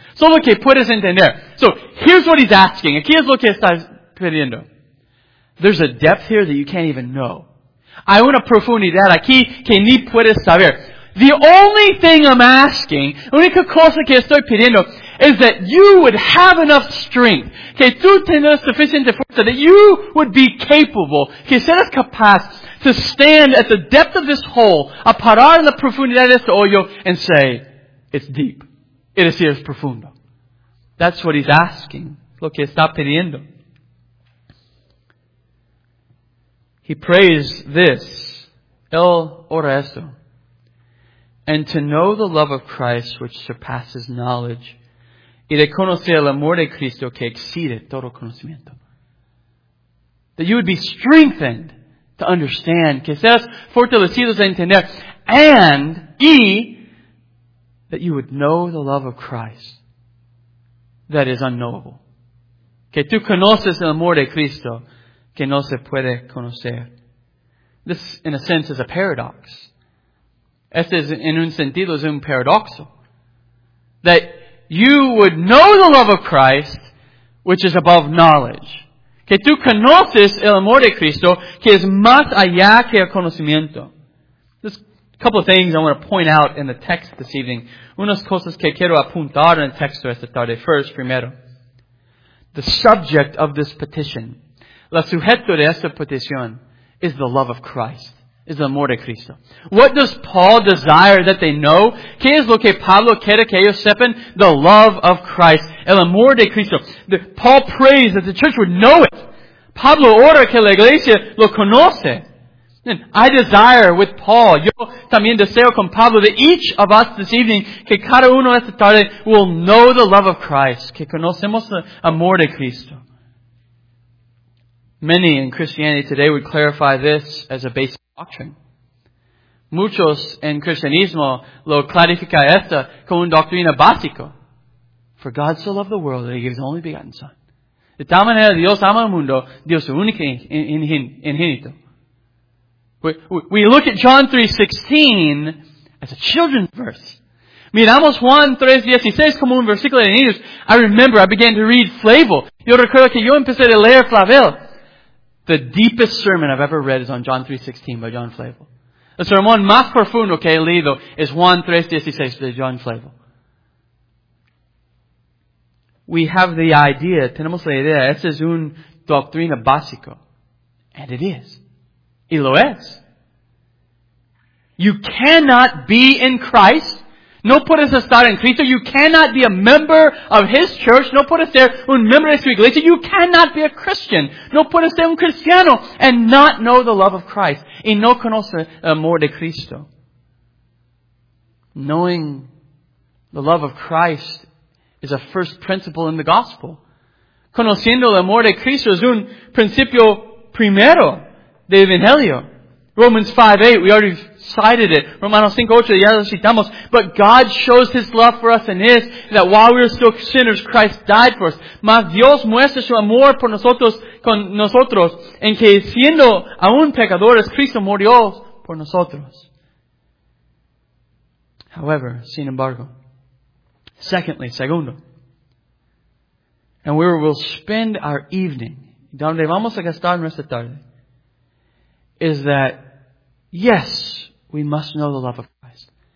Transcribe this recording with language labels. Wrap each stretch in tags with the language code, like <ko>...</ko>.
<es>Solo que puedes entender.</es> <en>So, here's what He's asking.</en> <es>Aquí es lo que está pidiendo.</es> <en>There's a depth here that you can't even know.</en> <es>Hay una profundidad aquí que ni puedes saber.</es> <en>The only thing I'm asking,</en> <es>única cosa que estoy pidiendo,</es> <en>is that you would have enough strength,</en> <es>que tú tengas suficiente fuerza,</es> <en>that you would be capable,</en> <es>que serás capaz</es> <en>to stand at the depth of this hole,</en> <es>a parar en la profundidad de este hoyo,</es> <en>and say, it's deep. It is here, it's profundo. That's what he's asking,</en> <es>lo que está pidiendo.</es> <en>He prays this,</en> <es>él ora esto,</es> <en>and to know the love of Christ which surpasses knowledge,</en> <es>y de conocer el amor de Cristo que excede todo conocimiento.</es> <en>That you would be strengthened to understand.</en> <es>Que seas fortalecidos a entender.</es> <en>And, y, that you would know the love of Christ that is unknowable.</en> <es>Que tú conoces el amor de Cristo que no se puede conocer.</es> <en>This, in a sense, is a paradox.</en> <es>Este es, en un sentido, es un paradoxo.</es> <en>That you would know the love of Christ, which is above knowledge.</en> <es>Que tú conoces el amor de Cristo, que es más allá que el conocimiento. This</es> <en>couple of things I want to point out in the text this evening.</en> <es>Unas cosas que quiero apuntar en el texto esta tarde.</es> <en>First, primero, the subject of this petition,</en> <es>la sujeto de esta petición,</es> <en>is the love of Christ, is the</en> <es>amor de Cristo.</es> <en>What does Paul desire that they know?</en> <es>¿Qué es lo que Pablo quiere que ellos sepan?</es> <en>The love of Christ,</en> <es>el amor de Cristo.</es> <en>Paul prays that the church would know it.</en> <es>Pablo ora que la iglesia lo conoce.</es> <en>And I desire with Paul,</en> <es>yo también deseo con Pablo,</es> <en>that each of us this evening,</en> <es>que cada uno esta tarde,</es> <en>will know the love of Christ,</en> <es>que conocemos el amor de Cristo.</es> <en>Many in Christianity today would clarify this as a basic doctrine.</en> <es>Muchos en cristianismo lo clarifica esta como una doctrina básica.</es> <en>For God so loved the world that He gave His only begotten Son.</en> <es>De tal manera Dios ama al mundo, Dios su único ingénito.</es> <en>We look at John 3:16 as a children's verse.</en> <es>Miramos Juan 3:16 como un versículo de niños.</es> <en>I remember I began to read Flavel.</en> <es>Yo recuerdo que yo empecé a leer Flavel.</es> <en>The deepest sermon I've ever read is on John 3:16 by John Flavel.</en> <es>El sermón más profundo que he leído es Juan 3:16 by John Flavel.</es> <en>We have the idea,</en> <es>tenemos la idea, esa es una doctrina básica.</es> <en>And it is.</en> <es>Y lo es.</es> <en>You cannot be in Christ.</en> <es>No puedes estar en Cristo.</es> <en>You cannot be a member of His church.</en> <es>No puedes ser un miembro de su iglesia.</es> <en>You cannot be a Christian.</en> <es>No puedes ser un cristiano</es> <en>and not know the love of Christ.</en> <es>Y no conocer el amor de Cristo.</es> <en>Knowing the love of Christ is a first principle in the gospel.</en> <es>Conociendo el amor de Cristo es un principio primero de Evangelio.</es> <en>Romans 5:8, we already cited it.</en> <es>Romanos 5:8, ya lo citamos.</es> <en>But God shows His love for us in this, that while we were still sinners, Christ died for us.</en> <es>Mas Dios muestra su amor por nosotros, con nosotros, en que siendo aún pecadores, Cristo murió por nosotros.</es> <en>However,</en> <es>sin embargo, segundo,</es> <en>and we will spend our evening,</en> <es>donde vamos a gastar nuestra tarde,</es> <en>is that, yes, we must know the love of Christ.</en>